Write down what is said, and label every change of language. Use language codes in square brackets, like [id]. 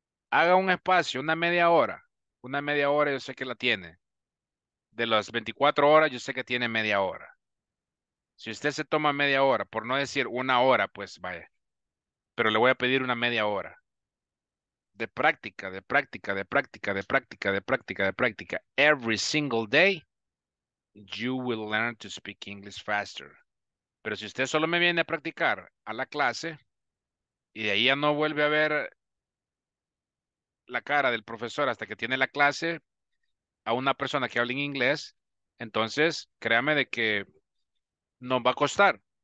[es] Haga un espacio, una media hora yo sé que la tiene. De las 24 horas, yo sé que tiene media hora. Si usted se toma media hora, por no decir una hora, pues vaya. Pero le voy a pedir una media hora. De práctica, de práctica, de práctica, de práctica, de práctica, de práctica. [en] Every single day, you will learn to speak English faster. [es] Pero si usted solo me viene a practicar a la clase y de ahí ya no vuelve a ver la cara del profesor hasta que tiene la clase a una persona que habla en inglés, entonces créame de que nos va a costar.